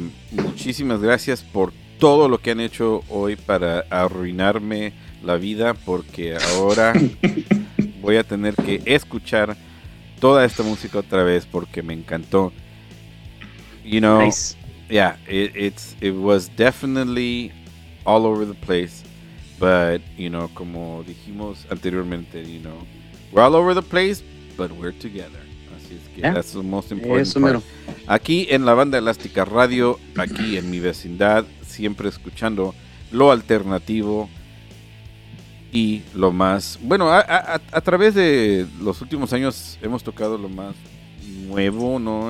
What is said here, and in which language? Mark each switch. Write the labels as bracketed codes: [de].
[es] Muchísimas gracias por todo lo que han hecho hoy para arruinarme la vida, porque ahora voy a tener que escuchar toda esta música otra vez porque me encantó. [en] You know, nice. Yeah, it was definitely all over the place, but you know, [es] como dijimos anteriormente, [en] you know, we're all over the place. But we're together. [es] Así es que [en] that's the most important part. [es] Aquí en la Banda Elástica Radio, aquí en mi vecindad, siempre escuchando lo alternativo y lo más... Bueno, a través de los últimos años hemos tocado lo más nuevo, ¿no?